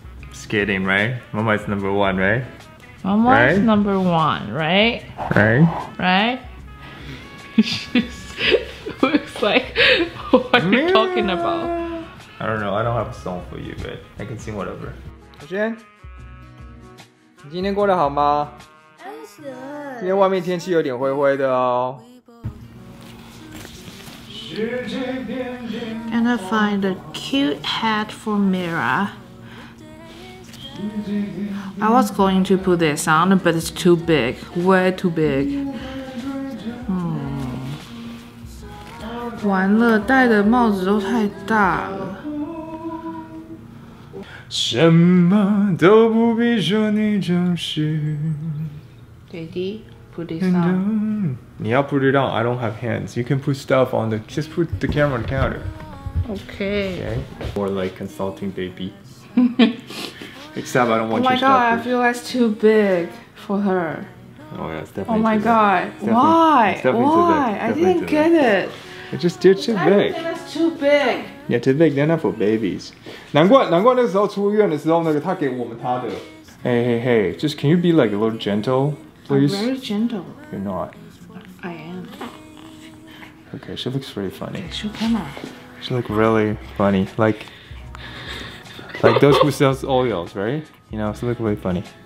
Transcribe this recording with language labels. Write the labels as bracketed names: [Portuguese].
[English] Just kidding, right? Mama is number one, right? Mama right? is number one, right? Right? Right? She looks like, what are you talking about? I don't know. I don't have a song for you, but I can sing whatever. [Chinese] Hoshin, 你今天过得好吗？ [English] I'm good. [Chinese] 今天外面天气有点灰灰的哦。 [English] Gonna find a cute hat for Mira. I was going to put this on, but it's too big, way too big. [Chinese] 完了，戴的帽子都太大了。什么都不必说，你就是。 [English] Daddy. Put this on. You have to put it on. I don't have hands. You can put stuff on the. Just put the camera on the counter. Okay. Okay. More like consulting, baby. Except I don't want you. Oh my god! I feel that's too big for her. Oh yeah, it's definitely. Oh my god! Why? Why? I didn't get it. It's just too big. I think that's too big. Yeah, too big. They're not for babies. [Chinese] 难怪那时候出院的时候，那个他给我们他的。 [English] Hey! Just can you be like a little gentle? Please. I'm very gentle. You're not. I am. Okay, she looks really funny. Take your camera. She looks really funny. Like those who sell oils, right? You know, she looks really funny.